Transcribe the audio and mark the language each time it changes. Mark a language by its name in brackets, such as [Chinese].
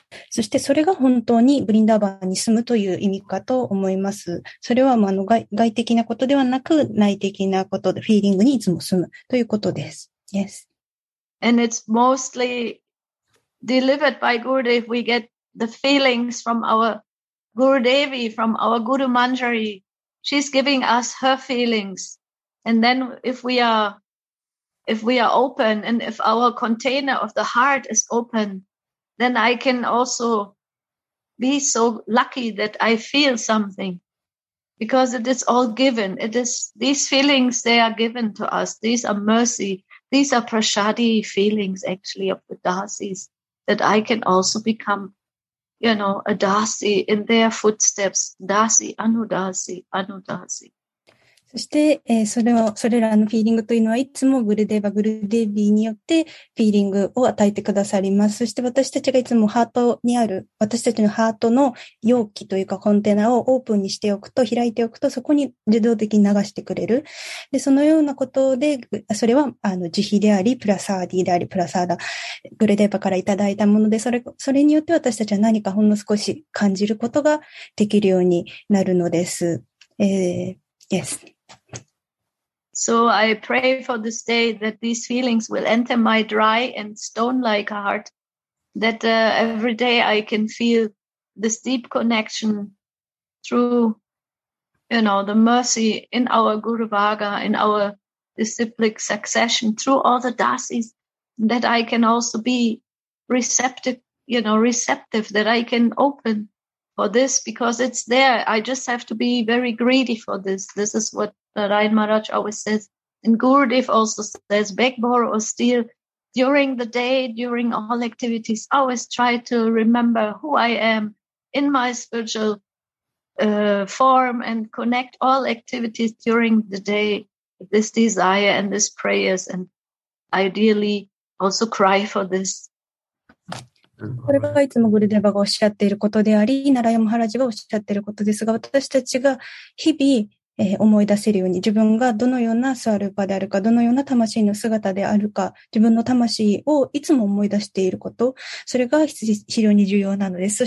[Japanese] そしてそれが本当にブリンダーバンに住むという意味かと思います。それは、まあ、外的なことではなく、内的なことで、フィーリングにいつも住むということです。 [English] Yes. And it's mostly delivered by Gurudev. We get the feelings from our Gurudevi, from our Guru Manjari. She's giving us her feelings. And then if we are open and if our container of the heart is open,then I can also be so lucky that I feel something because it is all given. It is these feelings, they are given to us. These are mercy. These are prashadi feelings, actually, of the Dasis, that I can also become, you know, a Dasi in their footsteps. Dasi, Anudasi, Anudasi. [Japanese] そして、それらのフィーリングというのは、いつもグルデーバ、グルデビーによってフィーリングを与えてくださります。そして私たちがいつもハートにある、私たちのハートの容器というかコンテナをオープンにしておくと、開いておくと、そこに自動的に流してくれる。で、そのようなことで、それは、慈悲であり、プラサーディであり、プラサーダ、グルデーバからいただいたもので、それによって私たちは何かほんの少し感じることができるようになるのです。 [English] Yes. So I pray for this day that these feelings will enter my dry and stone-like heart, that every day I can feel this deep connection through, you know, the mercy in our Guru Vaga, in our disciplic succession, through all the Dasis, that I can also be receptive, that I can open. For this, because it's there. I just have to be very greedy for this. This is what Narayan Maharaj always says. And Gurudev also says, beg, borrow, or steal. During the day, during all activities, I always try to remember who I am in my spiritual form and connect all activities during the day with this desire and these prayers. And ideally, also cry for this. [Japanese] これがいつもグルデバがおっしゃっていることであり、ナラヤマハラジがおっしゃっていることですが、私たちが日々、思い出せるように、自分がどのようなスワルパであるか、どのような魂の姿であるか、自分の魂をいつも思い出していること、それが非常に重要なのです。